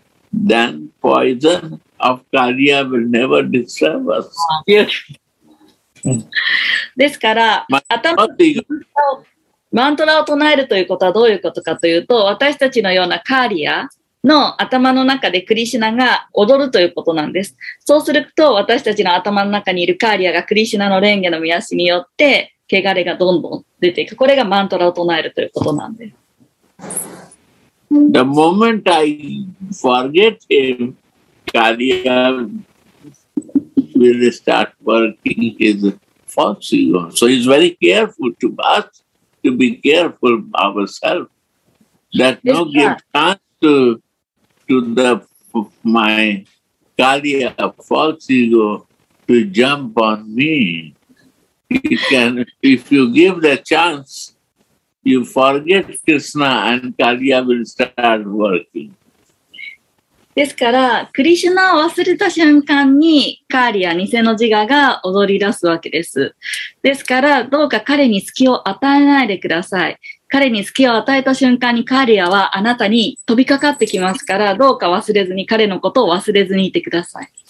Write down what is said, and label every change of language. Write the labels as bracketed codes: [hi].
[en] Then poison of Kaliya will never disturb us. Yes. [ja] ですから頭をマントラを唱えるということはどういうことかというと、私たちのようなカーリアの頭の中でクリシュナが踊るということなんです。そうすると私たちの頭の中にいるカーリアがクリシュナの蓮華の御足によって汚れがどんどん出ていく。これがマントラを唱えるということなんです。 [en] The moment I forget him, Kaliya will start working his false ego. So he's very careful to us to be careful ourselves that no give chance to the my Kaliya false ego to jump on me. You can, if you give the chance, you forget Krishna and Kaliya will start working. [ja] ですから、クリシュナを忘れた瞬間に、カーリア、偽の自我が踊り出すわけです。ですから、どうか彼に隙を与えないでください。彼に隙を与えた瞬間に、カーリアはあなたに飛びかかってきますから、どうか忘れずに、彼のことを忘れずにいてください。